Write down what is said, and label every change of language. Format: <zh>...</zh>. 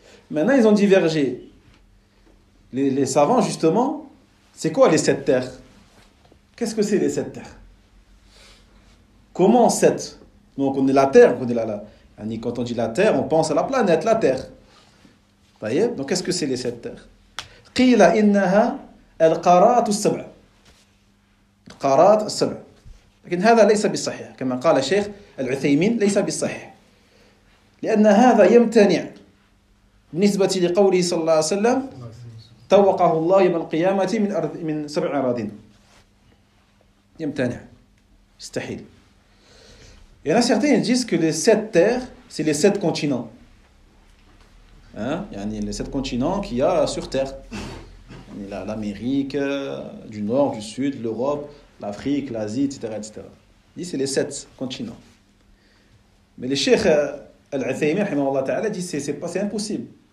<fr>Maintenant, ils ont divergé. Les savants, justement, c'est quoi les sept terres? Qu'est-ce que c'est les sept terres? Comment sept? Donc, on est la terre, on est là. Quand on dit la terre, on pense à la planète, la terre. Vous voyez? Donc, qu'est-ce que c'est les sept terres?</fr> <ar>قيل إنها القارات السبع القارات السبع لكن هذا ليس بالصحيح كما قال الشيخ العثيمين ليس بالصحيح لأن هذا يمتنع بالنسبة لقوله صلى الله عليه وسلم توقه الله يوم القيامة من سبع أراضين يمتنع مستحيل</ar> <fr>il y en a certains disent que les sept terres c'est les sept continents. Hein? Il y a les sept continents qu'il y a sur Terre. Il y a l'Amérique, du Nord, du Sud, l'Europe, l'Afrique, l'Asie, etc. etc. Il dit c'est les sept continents. Mais le Cheikh Al-Uthaymeen, rahimahullah ta'ala, dit que c'est impossible.</fr>